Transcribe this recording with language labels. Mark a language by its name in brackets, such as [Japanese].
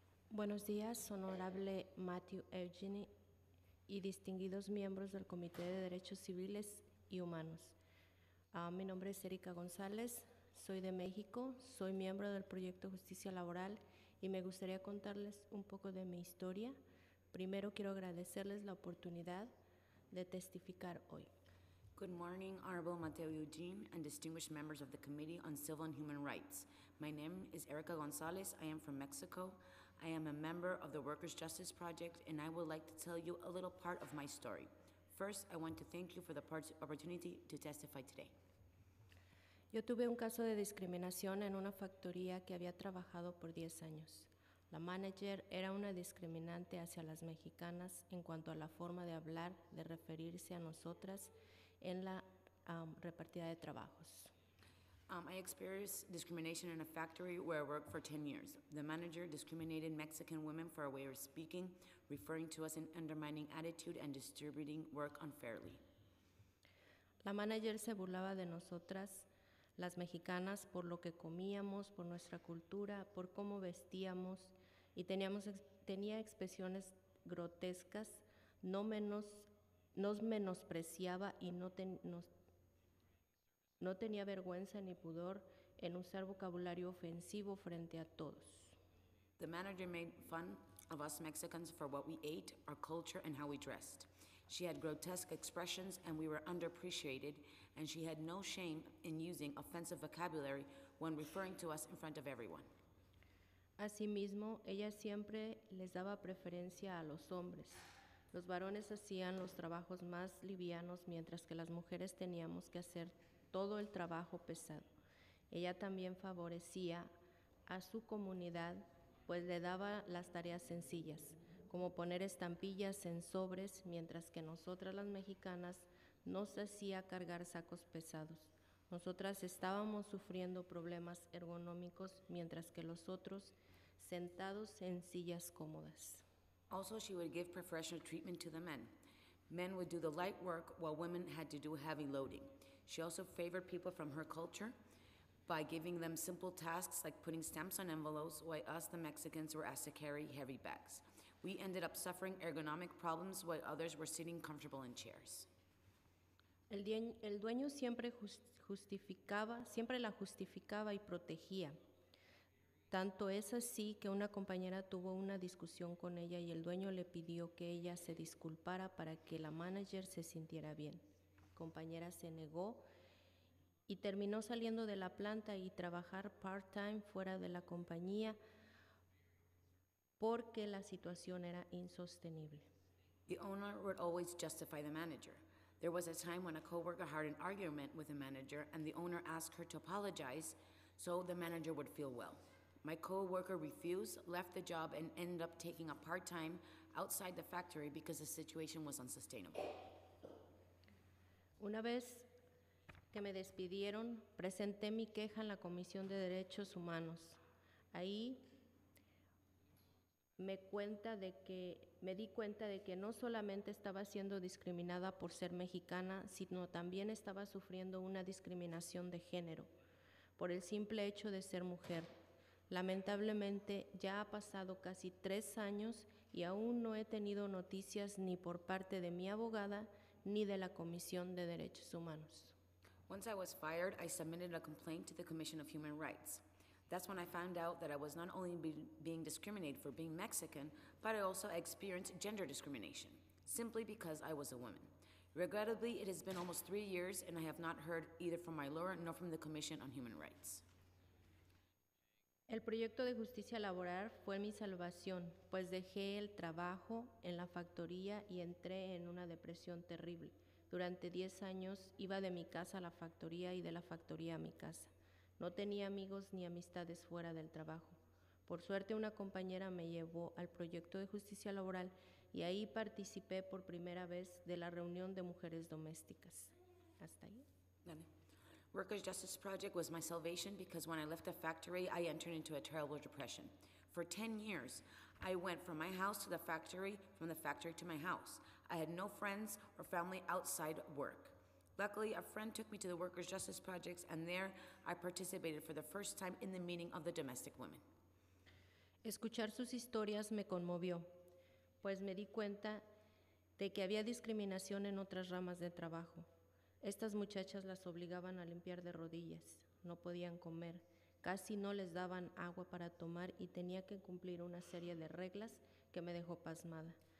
[Spanish] Buenos días, honorable Matthew Eugene y distinguidos miembros del Comité de Derechos Civiles y Humanos. Mi nombre es Erika González, soy de México, soy miembro del Proyecto Justicia Laboral y me gustaría contarles un poco de mi historia. Primero quiero agradecerles la oportunidad de testificar hoy. [English] Good morning, Honorable Mateo Eugene and distinguished members of the Committee on Civil and Human Rights. My name is Erika González, I am from Mexico. I am a member of the Workers' Justice Project and I would like to tell you a little part of my story. First, I want to thank you for the opportunity to testify today. [Spanish] Yo tuve un caso de discriminación en una factoría que había trabajado por 10 años. La manager era una discriminante hacia las mexicanas en cuanto a la forma de hablar, de referirse a nosotras en la repartida de trabajos. [English] I experienced discrimination in a factory where I worked for 10 years. The manager discriminated Mexican women for our way of speaking, referring to us in undermining attitude and distributing work unfairly. [Spanish] La manager se burlaba de nosotras, las mexicanas, por lo que comíamos, por nuestra cultura, por cómo vestíamos, y tenía expresiones grotescas, nos menospreciaba y no tenía vergüenza ni pudor en usar vocabulario ofensivo frente a todos. [English] The manager made fun of us Mexicans for what we ate, our culture, and how we dressed. She had grotesque expressions and we were underappreciated, and she had no shame in using offensive vocabulary when referring to us in front of everyone. [Spanish] Asimismo, ella siempre les daba preferencia a los hombres. Los varones hacían los trabajos más livianos, mientras que las mujeres teníamos que hacer todo el trabajo pesado. Ella también favorecía a su comunidad, pues le daba las tareas sencillas, como poner estampillas en sobres, mientras que nosotras las mexicanas nos hacía cargar sacos pesados. Nosotras estábamos sufriendo problemas ergonómicos, mientras que los otros sentados en sillas cómodas. [English] Also, she would give preferential treatment to the men. Men would do the light work while women had to do heavy loading. She also favored people from her culture by giving them simple tasks like putting stamps on envelopes, while us, the Mexicans, were asked to carry heavy bags. We ended up suffering ergonomic problems while others were sitting comfortable in chairs. [Spanish] El dueño siempre la justificaba y protegía. Tanto es así que una compañera tuvo una discusión con ella y el dueño le pidió que ella se disculpara para que la manager se sintiera bien. Compañera se negó y terminó saliendo de la planta y trabajar part-time fuera de la compañía porque la situación era insostenible. [English] The owner would always justify the manager. There was a time when a coworker had an argument with the manager and the owner asked her to apologize so the manager would feel well. My co-worker refused, left the job, and ended up taking a part-time outside the factory because the situation was unsustainable. [Spanish] Una vez que me despidieron, presenté mi queja en la Comisión de Derechos Humanos. Ahí me di cuenta de que no solamente estaba siendo discriminada por ser mexicana, sino también estaba sufriendo una discriminación de género por el simple hecho de ser mujer. Lamentablemente, ya ha pasado casi 3 años y aún no he tenido noticias ni por parte de mi abogada ni de la Comisión de Derechos Humanos. [English] Once I was fired, I submitted a complaint to the Commission of Human Rights. That's when I found out that I was not only being discriminated for being Mexican, but I also experienced gender discrimination, simply because I was a woman. Regrettably, it has been almost 3 years and I have not heard either from my lawyer nor from the Commission on Human Rights. [Spanish] El proyecto de justicia laboral fue mi salvación, pues dejé el trabajo en la factoría y entré en una depresión terrible. Durante 10 años iba de mi casa a la factoría y de la factoría a mi casa. No tenía amigos ni amistades fuera del trabajo. Por suerte, una compañera me llevó al proyecto de justicia laboral y ahí participé por primera vez de la reunión de mujeres domésticas. Hasta ahí. Dale. [English] Workers' Justice Project was my salvation because when I left the factory, I entered into a terrible depression. For 10 years, I went from my house to the factory, from the factory to my house. I had no friends or family outside work. Luckily, a friend took me to the Workers' Justice Projects, and there I participated for the first time in the meeting of the domestic women. [Spanish] Escuchar sus historias me conmovió, pues me di cuenta de que había discriminación en otras ramas de trabajo. Estas muchachas las obligaban a limpiar de rodillas, no podían comer, casi no les daban agua para tomar y tenía que cumplir una serie de reglas que me dejó pasmada.